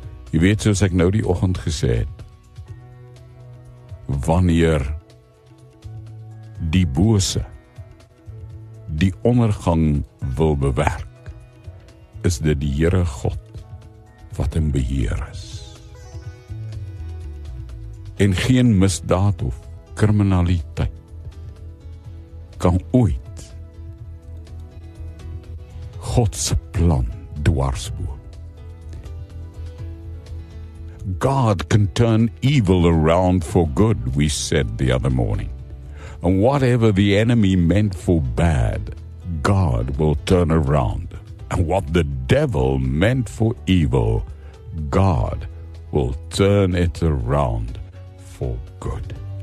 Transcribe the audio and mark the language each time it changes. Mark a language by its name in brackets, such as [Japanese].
[Afrikaans] Jy weet, soos ek nou die oggend gesê het, wanneer die bose die ondergang wil bewerk, is dit die Here God wat in beheer is. En geen misdaad of kriminaliteit kan ooit God se plan dwarsboom. [English] God can turn evil around for good, we said the other morning. And whatever the enemy meant for bad, God will turn around. And what the devil meant for evil, God will turn it around for good.